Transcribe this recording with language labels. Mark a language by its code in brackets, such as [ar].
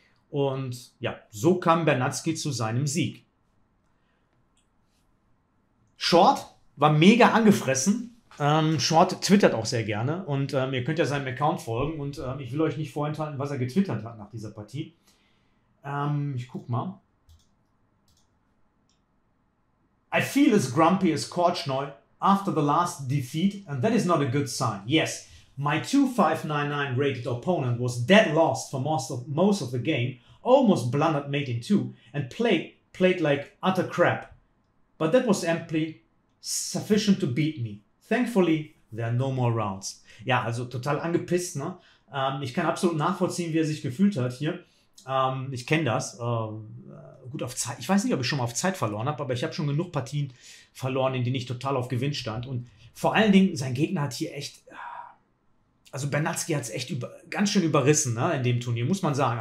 [de] Und ja, so kam Bernatzky zu seinem Sieg. Short war mega angefressen. Short twittert auch sehr gerne und ihr könnt ja seinem Account folgen und ich will euch nicht vorenthalten, was er getwittert hat nach dieser Partie. Ich guck mal. [en] I feel as grumpy as Korchnoi after the last defeat, and that is not a good sign. Yes, my 2599 rated opponent was dead lost for most of the game, almost blundered mate in two, and played like utter crap. But that was amply sufficient to beat me. Thankfully, there are no more rounds. [de] Ja, also total angepisst, ne? Ich kann absolut nachvollziehen, wie er sich gefühlt hat hier. Ich kenne das. Gut auf Zeit. Ich weiß nicht, ob ich schon mal auf Zeit verloren habe, aber ich habe schon genug Partien verloren, in denen ich total auf Gewinn stand. Und vor allen Dingen, sein Gegner hat hier echt. Also Bernatzky hat es echt ganz schön überrissen, ne, in dem Turnier, muss man sagen.